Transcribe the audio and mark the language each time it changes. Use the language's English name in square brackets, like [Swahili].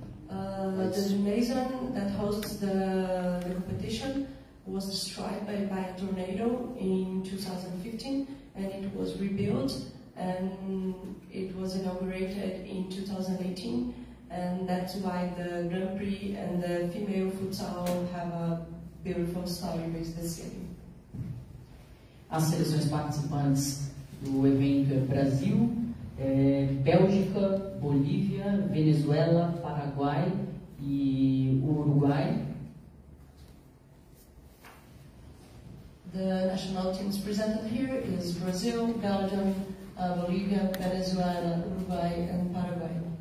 [English] The gymnasium that hosts the competition was destroyed by a tornado in 2015, and it was rebuilt, and it was inaugurated in 2018, and that's why the Grand Prix and the female futsal have a beautiful story with the city. [Portuguese] As seleções participantes do evento é Brasil, Bélgica, Bolívia, Venezuela, Paraguai e Uruguai. [English] The national teams presented here is Brazil, Belgium, Bolivia, Venezuela, Uruguay, and Paraguay.